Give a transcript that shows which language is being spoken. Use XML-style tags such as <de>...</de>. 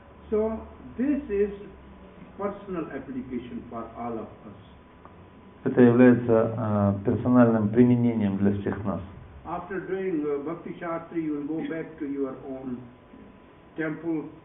<en>So this is personal application for all of us.</en> <ru>Это является персональным применением для всех нас.</ru> <en>After doing Bhakti Shastri, you will go back to your own temple.</en>